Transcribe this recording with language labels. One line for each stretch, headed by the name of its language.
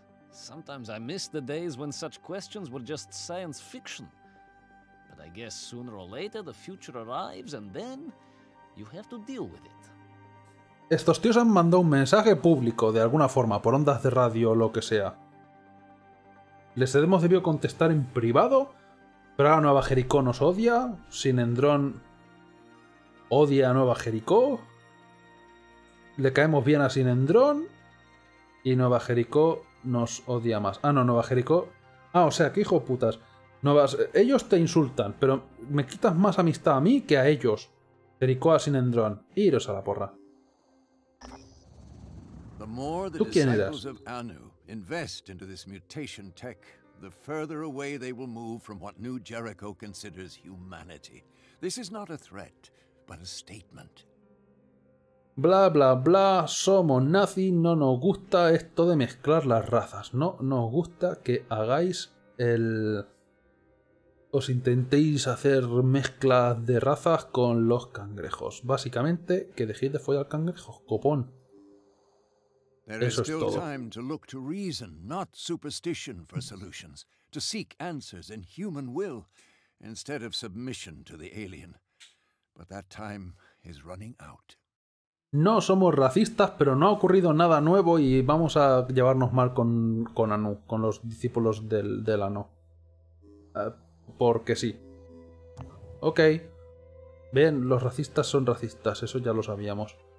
English: Sometimes I miss the days when such questions were just science fiction. But I guess sooner or later the future arrives and then you have to deal with it.
Spanish: Estos tíos han mandado un mensaje público de alguna forma, por ondas de radio o lo que sea. Les hemos debido contestar en privado, pero ahora Nueva Jericó nos odia, Sinendrón odia a Nueva Jericó. Le caemos bien a Sinendrón y Nueva Jericó nos odia más. Ah, no, Nueva Jericó. Ah, o sea, que hijo putas. Novas, ellos te insultan, pero me quitas más amistad a mí que a ellos. Jericó a Sinendrón. Iros a la porra. ¿Tú quién eras?
English: Invest into this mutation tech, the further away they will move from what New Jericho considers humanity. This is not a threat, but a statement.
Spanish: Bla, bla, bla, somos nazi, no nos gusta esto de mezclar las razas. No nos gusta que hagáis el... Os intentéis hacer mezclas de razas con los cangrejos. Básicamente, que dejéis de follar cangrejos, copón.
English: There is still time to look to reason, not superstition for solutions, to seek answers in human will instead of submission to the alien. But that time is running out.
Spanish: No somos racistas, pero no ha ocurrido nada nuevo y vamos a llevarnos mal con Anu, con los discípulos del Anu. Porque sí. Ok. Bien, los racistas son racistas, eso ya lo sabíamos.